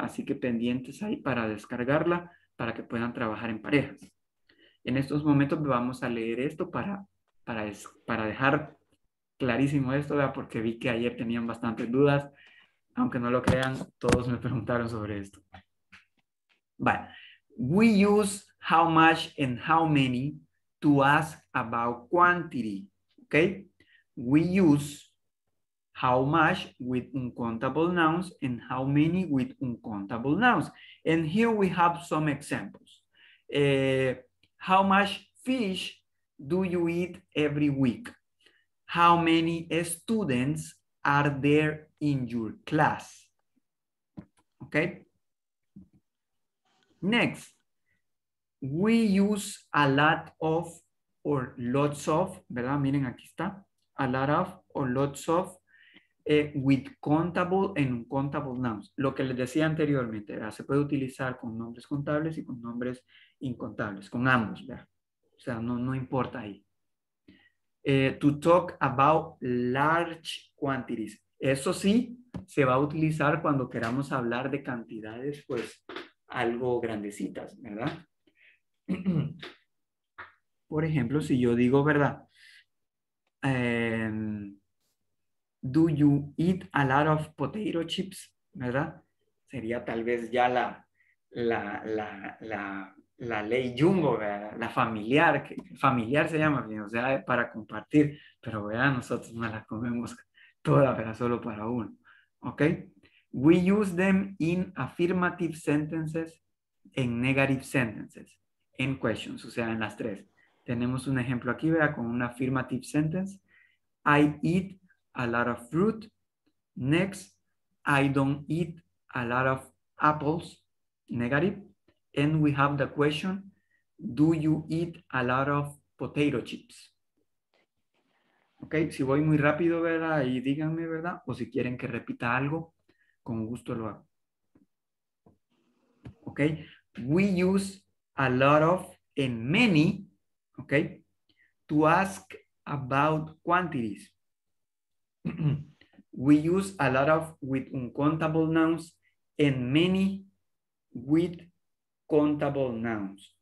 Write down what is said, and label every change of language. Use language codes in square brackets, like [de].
[es] Así que pendientes ahí para descargarla, para que puedan trabajar en parejas. En estos momentos vamos a leer esto para dejar clarísimo esto, ¿verdad? Porque vi que ayer tenían bastantes dudas. Aunque no lo crean, todos me preguntaron sobre esto. Vale. [en] We use how much and how many to ask about quantity, ¿ok? We use how much with uncountable nouns and how many with uncountable nouns. And here we have some examples. How much fish do you eat every week? How many students are there in your class? Okay. Next, we use a lot of or lots of, ¿verdad? [es] Miren, aquí está. [en] A lot of or lots of with countable and uncountable nouns. [es] Lo que les decía anteriormente, ¿verdad? Se puede utilizar con nombres contables y con nombres incontables, con ambos, ¿verdad? O sea, no importa ahí. [en] To talk about large quantities. [es] Eso sí, se va a utilizar cuando queramos hablar de cantidades, pues, algo grandecitas, ¿verdad? Por ejemplo, si yo digo, ¿verdad? [en] Do you eat a lot of potato chips? [es] ¿Verdad? Sería tal vez ya la ley Jungo, ¿verdad? La familiar, que familiar se llama, ¿verdad? O sea, para compartir, pero ¿verdad? Nosotros no la comemos toda, pero solo para uno. [en] ¿Ok? We use them in affirmative sentences and negative sentences, in questions, [es] o sea, en las tres. Tenemos un ejemplo aquí, ¿verdad? Con una [en] affirmative sentence. I eat a lot of fruit. Next, I don't eat a lot of apples. Negative. And we have the question, do you eat a lot of potato chips? [es] Ok, si voy muy rápido, ¿verdad? Y díganme, ¿verdad? O si quieren que repita algo, con gusto lo hago. [en] Ok, we use a lot of and many, ok, to ask about quantities. We use a lot of with uncountable nouns and many with countable nouns.